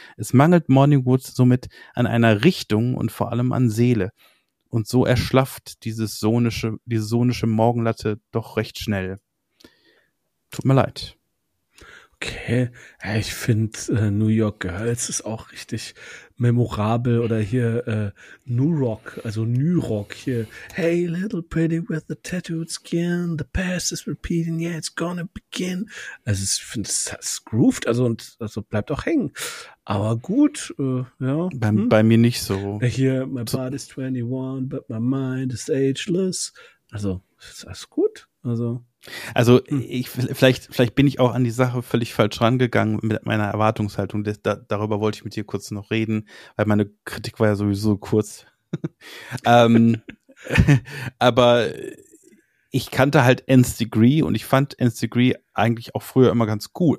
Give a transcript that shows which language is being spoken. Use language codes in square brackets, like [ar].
[de] Es mangelt Morningwood somit an einer Richtung und vor allem an Seele. Und so erschlafft diese sonische Morgenlatte doch recht schnell. Tut mir leid. Okay, ja, ich finde New York Girls ist auch richtig memorabel. Oder hier New Rock hier. [en] Hey, little pretty with the tattooed skin, the past is repeating, yeah, it's gonna begin. [de] Also ich finde, es grooved, also bleibt auch hängen. Aber gut, ja. Bei mir nicht so. [en] Hier, my body's 21, but my mind is ageless. [de] Also ist alles gut, also. Also ich vielleicht bin ich auch an die Sache völlig falsch rangegangen mit meiner Erwartungshaltung. Darüber wollte ich mit dir kurz noch reden, weil meine Kritik war ja sowieso kurz. aber ich kannte halt Nth Degree und ich fand Nth Degree eigentlich auch früher immer ganz cool.